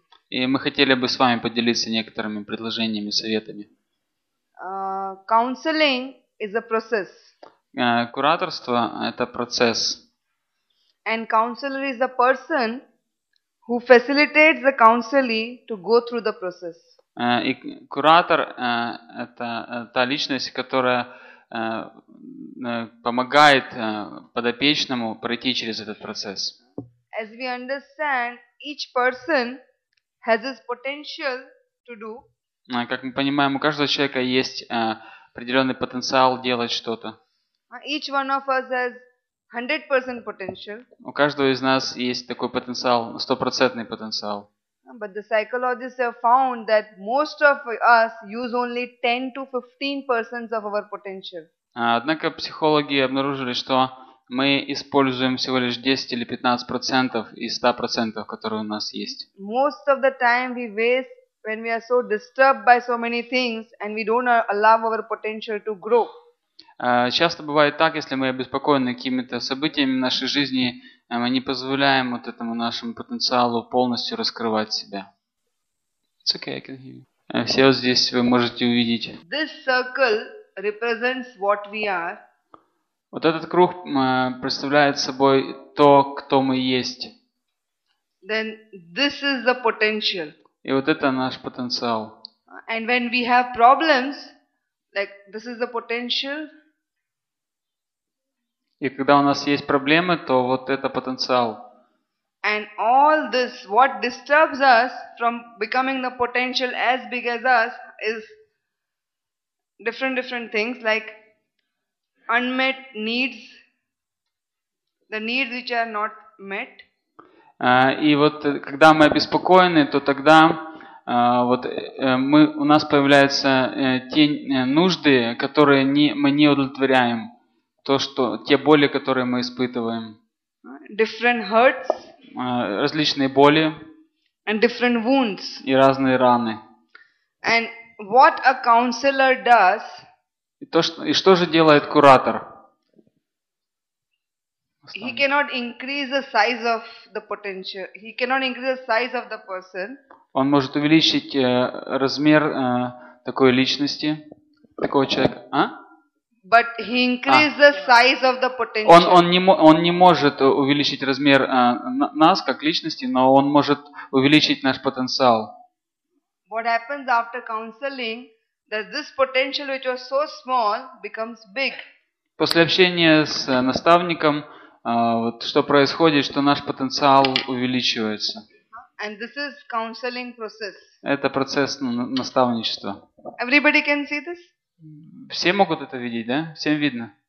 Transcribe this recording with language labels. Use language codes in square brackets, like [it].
[ru] И мы хотели бы с вами поделиться некоторыми предложениями, советами. [en] Counseling is a process. [ru] Кураторство – это процесс. [en] And counselor is a person who facilitates the counselee to go through the process. [ru] И куратор – это та личность, которая помогает подопечному пройти через этот процесс. [en] As we understand, each person has his potential to do. [ru] Как мы понимаем, у каждого человека есть определенный потенциал делать что-то. [en] Each one of us has 100% potential. [ru] У каждого из нас есть такой потенциал, 100% потенциал. [en] But the psychologists have found that most of us use only 10-15% of our potential. [ru] Однако психологи обнаружили, что мы используем всего лишь 10-15% из 100%, которые у нас есть. [en] Most of the time we waste when we are so disturbed by so many things and we don't allow our potential to grow. [ru] Часто бывает так, если мы обеспокоены какими-то событиями в нашей жизни, мы не позволяем вот этому нашему потенциалу полностью раскрывать себя. [en] It's okay, I can hear you. [ru] Все вот здесь вы можете увидеть. [en] This circle represents what we are. [ru] Вот этот круг представляет собой то, кто мы есть. [en] Then this is the potential. [ru] И вот это наш потенциал. [en] And when we have problems, like this is the potential. [ru] И когда у нас есть проблемы, то вот это потенциал. [en] And all this, what disturbs us from becoming the potential as big as us is different things like unmet needs, the needs which are not met. [ru] И вот когда мы обеспокоены, то тогда у нас появляются те нужды, которые мы не удовлетворяем. Те боли, которые мы испытываем. [en] Different hurts. [ru] Различные боли. [en] And different wounds. [ru] И разные раны. [en] And what a counselor does. [ru] И что же делает куратор? [en] He cannot increase the size of the potential. He cannot increase the size of the person. [ru] Он может увеличить размер такой личности, такого человека. А? [en] But he increases the size of the potential. [ru] Он не может увеличить размер нас как личности, но он может увеличить наш потенциал. [en] What happens after counseling that this potential which was so small becomes big. [ru] После общения с наставником, вот что происходит, что наш потенциал увеличивается. [en] And this is counseling process. [ru] Это процесс наставничества. [en] Everybody can see this? [ru] Все могут это видеть, да? Всем видно?